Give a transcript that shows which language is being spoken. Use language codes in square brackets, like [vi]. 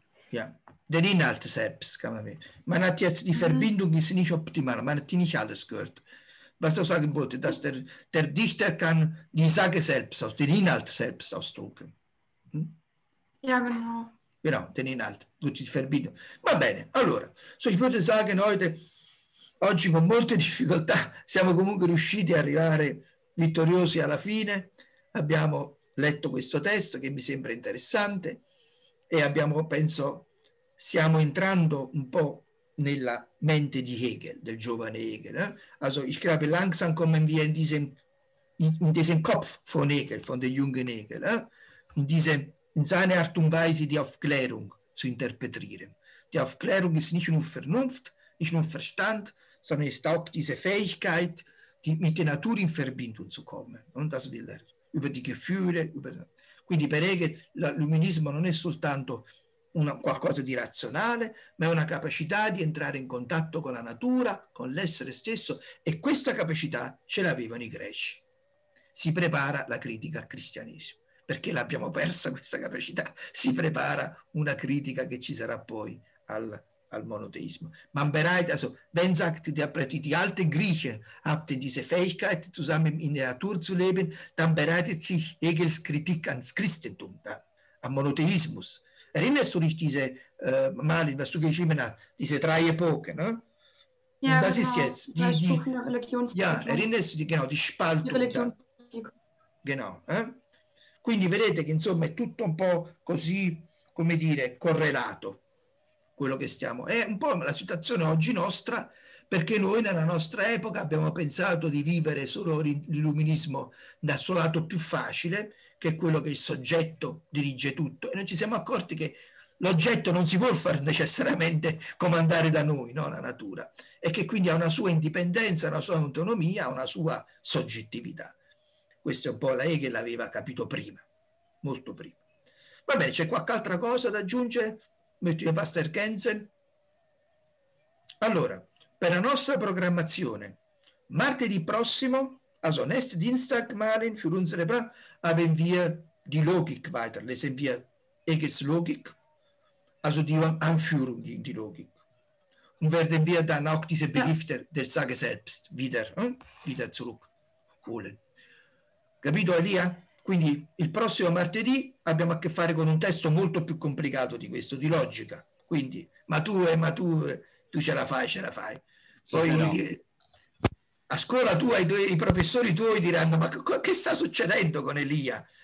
[de] Ja, den Inhalt selbst kann man sehen. Man hat jetzt die Verbindung ist nicht optimal, man hat nicht alles gehört. Was ich sagen wollte, dass der Dichter kann die Sage selbst, den Inhalt selbst ausdrücken. Hm? Ja, genau. Genau, den Inhalt, tutti die Verbindung. [it] Va bene, allora, [de] so ich würde sagen heute, [it] oggi con molte difficoltà siamo comunque riusciti a arrivare vittoriosi alla fine. Abbiamo letto questo testo che mi sembra interessante e abbiamo, penso, stiamo entrando un po' nella mente di Hegel, del giovane Hegel. Eh? [de] Also ich glaube langsam kommen wir in diesem Kopf von Hegel, von dem jungen Hegel, in seine Art und Weise die Aufklärung zu interpretieren. Die Aufklärung ist nicht nur Vernunft, nicht nur Verstand, sondern ist auch diese Fähigkeit, mit der Natur in Verbindung zu kommen. Und das will er über die Gefühle. [it] Quindi per Hegel, l'Illuminismo non è soltanto qualcosa di razionale, ma è una capacità di entrare in contatto con la natura, con l'essere stesso. E questa capacità ce l'avevano i greci. Si prepara la critica al cristianesimo. Perché l'abbiamo persa questa capacità? Si prepara una critica che ci sarà poi al Monotheismo. [de] Man bereit, also wenn sagt die Apparatur, die alte Griechen hatten diese Fähigkeit, zusammen in der Natur zu leben, dann bereitet sich Hegels Kritik ans Christentum, am Monotheismus. Erinnerst du dich diese, Malin, was du geschrieben hast, diese drei Epochen? Ne? Ja, das genau. Ist jetzt. Die ja, erinnerst du dich, genau, die Spaltung. Die genau. [it] Quindi vedete che insomma è tutto un po' così, come dire, correlato. Quello che stiamo. È un po' la situazione oggi nostra, perché noi nella nostra epoca abbiamo pensato di vivere solo l'illuminismo dal suo lato più facile, che è quello che il soggetto dirige tutto. E noi ci siamo accorti che l'oggetto non si vuol far necessariamente comandare da noi, no? La natura. E che quindi ha una sua indipendenza, una sua autonomia, una sua soggettività. Questo è un po' la Hegel l'aveva capito prima, molto prima. Va bene, c'è qualche altra cosa da aggiungere? Metti il Pastor Kenzen. Allora, per la nostra programmazione, martedì prossimo, [de] also nächste Dienstag, Marin, für unsere Pro, haben wir die Logik weiter. Lesen wir Hegels Logik, also die Anführung in die Logik. Und werden wir dann auch diese Begriffe der Sage selbst wieder zurückholen. [it] Capito, Elia? Quindi il prossimo martedì abbiamo a che fare con un testo molto più complicato di questo, di logica. Quindi, ma tu ce la fai. Poi, a scuola tua, i professori tuoi diranno, ma che sta succedendo con Elia?